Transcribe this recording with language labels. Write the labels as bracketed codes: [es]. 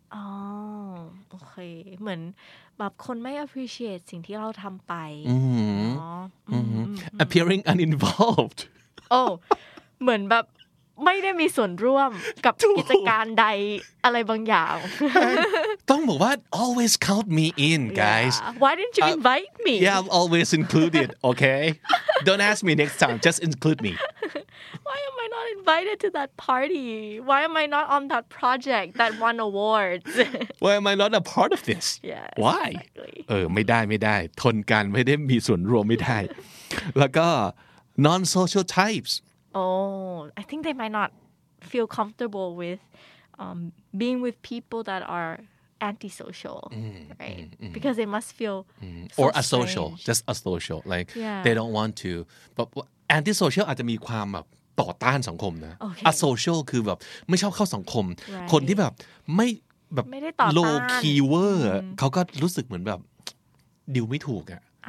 [th] อ๋อโอเคเหมือนแบบคนไม่ appreciate สิ่งที่เราทำไป [en] อือ appearing uninvolved [th] โอ้เหมือนแบบไม่ได้มีส่วนร่วมกับกิจการใดอะไรบางอย่าง ต้องบอกว่า [en] always count me in guys yeah. why didn't you invite me yeah I'm always included okay don't ask me next time just include me why am I not invited to that party why am I not on that project that won awards why am I not a part of this yeah why exactly. [th] ไม่ได้ทนกันไม่ได้มีส่วนรวมไม่ได้แล้วก็ [en] non-social types. Oh, I think they might not feel comfortable with being with people that are antisocial, because they must feel or asocial, just asocial. Like they don't want to. [th] But antisocial อาจจะมีความแบบต่อต้านสังคมนะ asocial คือแบบไม่ชอบเข้าสังคมคนที่แบบไม่แบบ ไม่ได้ต่อ [en] low keyword [th] เขาก็รู้สึกเหมือนแบบดิวไม่ถูกอ่ะ